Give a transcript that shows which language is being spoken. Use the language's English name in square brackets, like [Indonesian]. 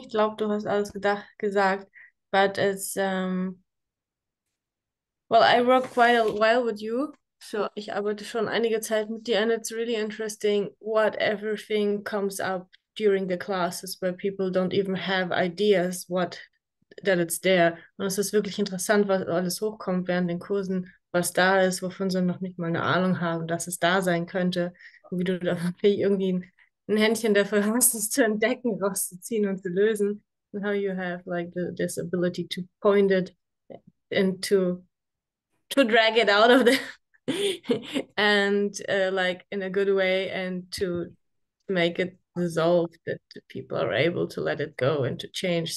[German] Ich glaube, du hast alles gesagt. [English] But it's, well, I work quite a while with you. [German] So ich arbeite schon einige Zeit mit dir. [English] And it's really interesting what everything comes up during the classes, where people don't even have ideas what that it's there. [German] Und es ist wirklich interessant, was alles hochkommt während den Kursen, was da ist, wovon sie noch nicht mal eine Ahnung haben, dass es da sein könnte, wie du da irgendwie ein Händchen dafür hast, es zu entdecken, rauszuziehen und zu lösen. [English] And how you have like this ability to point it and to drag it out of the and like in a good way and to make it dissolve that people are able to let it go and to change.